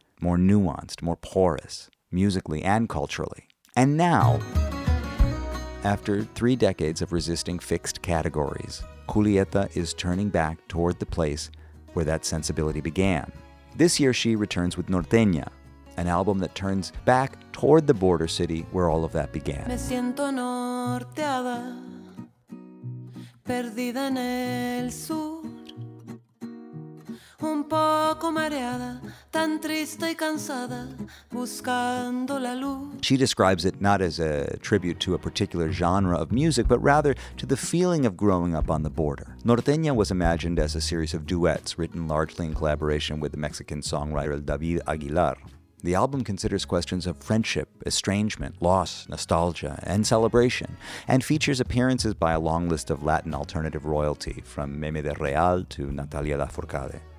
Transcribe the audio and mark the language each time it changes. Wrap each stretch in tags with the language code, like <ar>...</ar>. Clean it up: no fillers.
<en>More nuanced, more porous, musically and culturally. And now, After 3 decades of resisting fixed categories, Julieta is turning back toward the place where that sensibility began. This year she returns with Norteña, an album that turns back toward the border city where all of that began.</en> <es>Me siento norteada, perdida en el sur, un poco mareada, tan triste y cansada, buscando la luz.</es> <en>She describes it not as a tribute to a particular genre of music, but rather to the feeling of growing up on the border. Norteña was imagined as a series of duets written largely in collaboration with the Mexican songwriter David Aguilar. The album considers questions of friendship, estrangement, loss, nostalgia, and celebration, and features appearances by a long list of Latin alternative royalty, from Meme de Real to Natalia Lafourcade.</en>